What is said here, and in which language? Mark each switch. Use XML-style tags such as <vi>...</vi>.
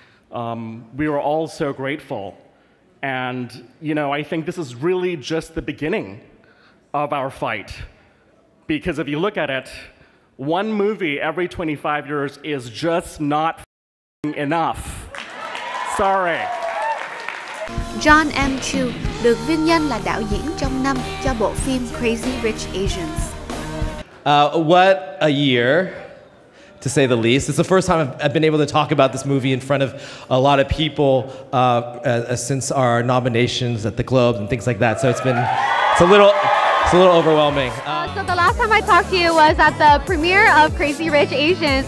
<en>We are all so grateful. And you know, I think this is really just the beginning of our fight. Because if you look at it, one movie every 25 years is just not enough. Sorry. John M.</en> <vi>Chu được vinh danh là đạo diễn trong năm cho bộ phim Crazy Rich Asians.</vi> <en>What a year, to say the least. It's the first time I've been able to talk about this movie in front of a lot of people since our nominations at the Globes and things like that. So it's a little overwhelming. So the last time I talked to you was at the premiere of Crazy Rich Asians.</en>